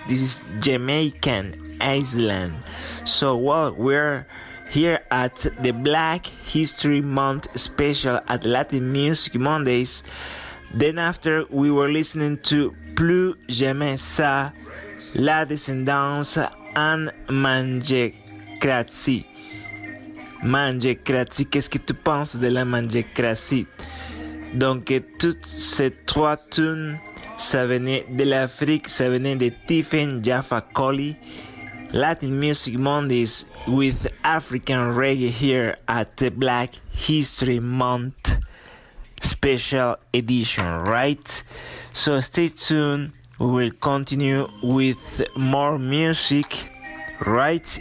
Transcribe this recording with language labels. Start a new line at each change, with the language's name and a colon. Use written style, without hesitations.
English: This is Jamaican Island. So, well, we're here at the Black History Month special at Latin Music Mondays. Then after, we were listening to Plus Jamais Ça, La Descendance, and Mangekratzi.
French: Mangekratzi, qu'est-ce que tu penses de la Mangekratzi? Donc, toutes ces trois tunes, ça venait de l'Afrique, ça venait de Tiffen Jaffa Coli.
English: Latin Music Mondays with African Reggae here at the Black History Month special edition, right? So stay tuned, we will continue with more music, right?